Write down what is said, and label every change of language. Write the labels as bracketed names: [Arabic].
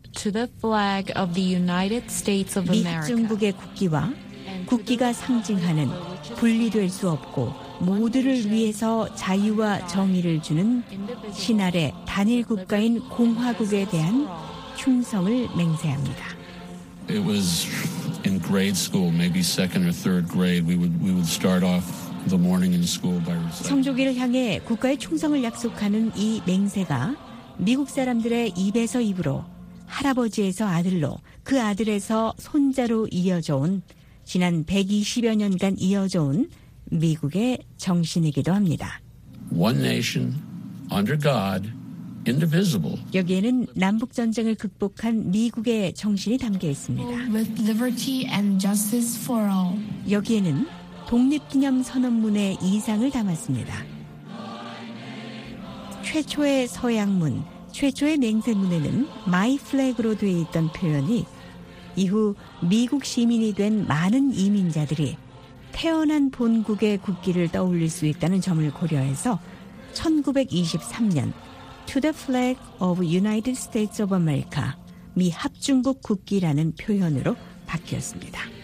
[English] To the flag of the United States of America. [Korean] 미국 중국의 국기와 국기가 상징하는 분리될 수 없고 모두를 위해서 자유와 정의를 주는 신아래 단일 국가인 공화국에 대한 충성을 맹세합니다. [English] It was in grade school, maybe second or third grade. We would start off the morning in school by reciting. [Korean] 성조기를 향해 국가의 충성을 약속하는 이 맹세가 미국 사람들의 입에서 입으로 할아버지에서 아들로 그 아들에서 손자로 이어져온 지난 120여 년간 이어져온 미국의 정신이기도 합니다. [English] One nation under God, indivisible. [Korean] 여기에는 남북전쟁을 극복한 미국의 정신이 담겨 있습니다. [English] With liberty and justice for all. [Korean] 여기에는 독립기념선언문의 이상을 담았습니다. 최초의 서양문, 최초의 맹세문에는 [English] My flag [Korean] 으로 되어 있던 표현이 이후 미국 시민이 된 많은 이민자들이 태어난 본국의 국기를 떠올릴 수 있다는 점을 고려해서 1923년 [English] To the Flag of United States of America, [Korean] 미 합중국 국기라는 표현으로 바뀌었습니다.